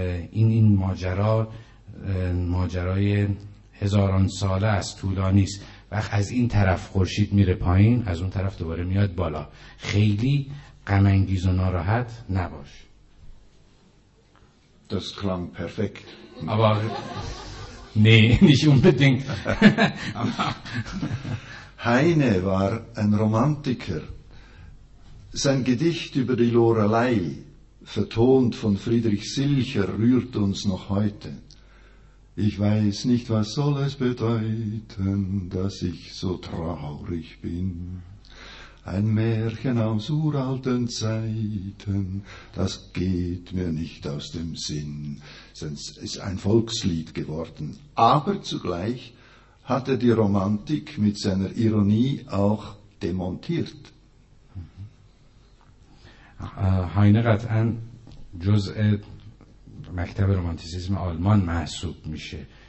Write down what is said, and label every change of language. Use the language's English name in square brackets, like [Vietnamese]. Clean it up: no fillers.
[Persian] این ماجرا ماجرای هزاران ساله است، طولانی است. وقت از این طرف خورشید میره پایین، از اون طرف دوباره میاد بالا. خیلی غم‌انگیز و ناراحت نباش. [German] Das klang perfekt. Aber nee, nicht unbedingt. Heine war ein Romantiker. Sein Gedicht über die Lorelei, vertont von Friedrich Silcher, rührt uns noch heute. Ich weiß nicht, was soll es bedeuten, dass ich so traurig bin. Ein Märchen aus uralten Zeiten, das geht mir nicht aus dem Sinn, sonst ist ein Volkslied geworden. Aber zugleich hat er die Romantik mit seiner Ironie auch demontiert. [Persian] Heine قطعا جزء مکتب رومانتیسیسم آلمان محسوب میشه.